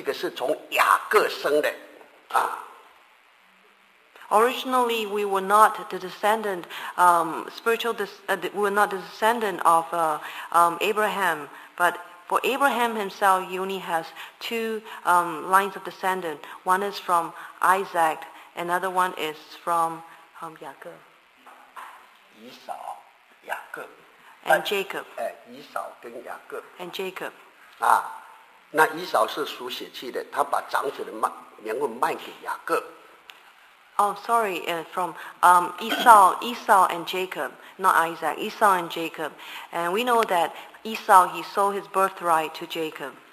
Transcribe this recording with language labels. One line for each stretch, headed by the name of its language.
Chinese: 不过那题外话我们讲回来我们以前不算神的子民因为神只拣选亚伯拉罕从亚伯拉罕里面再从以撒的祖孙那以撒的祖孙里面又分两个一个是从以扫生的一个是从雅各生的
English: Originally, we were not the descendant, we were not the descendant of Abraham. But for Abraham himself, he only has two lines of descendant. One is from Isaac, another one is from Yaakov. Esau, Yaakov. And Jacob. Esau and Yaakov. And Jacob.
Chinese: 那以扫是属血气的，他把长子的名分卖给雅各。
English: Oh, sorry, from Esau and Jacob, not Isaac, Esau and Jacob. And we know that Esau, he sold his birthright to Jacob.